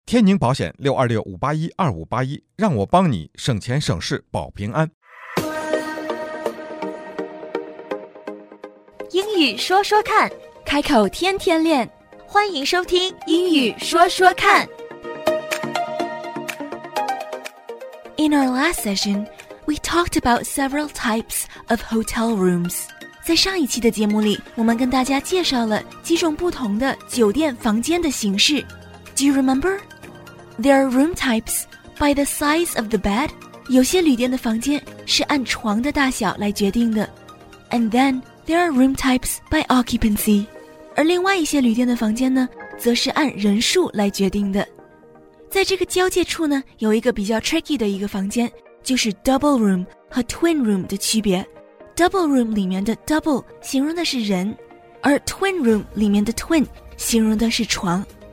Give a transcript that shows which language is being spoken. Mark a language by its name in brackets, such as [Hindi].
[Chinese] 天宁保险626-581-2581，让我帮你省钱省事保平安。英语说说看，开口天天练，欢迎收听英语说说看。 [English] In our last session, we talked about several types of hotel rooms. [Chinese] 在上一期的节目里，我们跟大家介绍了几种不同的酒店房间的形式。 [English] Do you remember? There are room types by the size of the bed. [Chinese] 有些旅店的房间是按床的大小来决定的。 [English] And then, there are room types by occupancy. [Chinese] 而另外一些旅店的房间呢，则是按人数来决定的。在这个交界处呢，有一个比较 tricky 的一个房间，就是 double room 和 twin room 的区别。 Double room 里面的 double 形容的是人，而 twin room 里面的 twin 形容的是床。